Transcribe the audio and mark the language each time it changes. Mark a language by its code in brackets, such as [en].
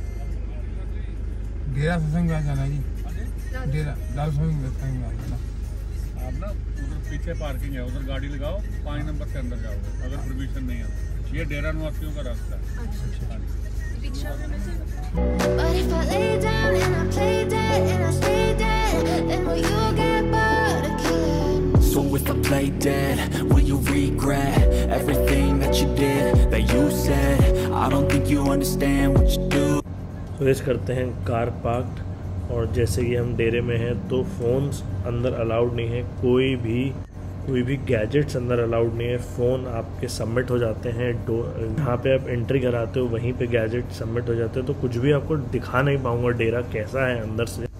[hi] डेरा सिंह व्यास जाना जी, डेरा डाल सिंह व्यास आप ना उधर पीछे पार्किंग है, उधर गाड़ी लगाओ, 5 नंबर के अंदर जाओगे अगर परमिशन नहीं है। ये डेरा निवासियों का रास्ता है। [en] But if I lay down and I play dead and I stay dead, then will you get bored of killing? So if I play dead, will you regret everything that you did, that you said? I don't think you understand what you do. So let's [hi] करते हैं car park और जैसे कि हम डेरे में हैं तो फ़ोन्स अंदर अलाउड नहीं है, कोई भी गैजेट्स अंदर अलाउड नहीं है। फ़ोन आपके सबमिट हो जाते हैं जहाँ पे आप एंट्री कराते हो वहीं पे गैजेट सबमिट हो जाते हैं, तो कुछ भी आपको दिखा नहीं पाऊँगा डेरा कैसा है अंदर से।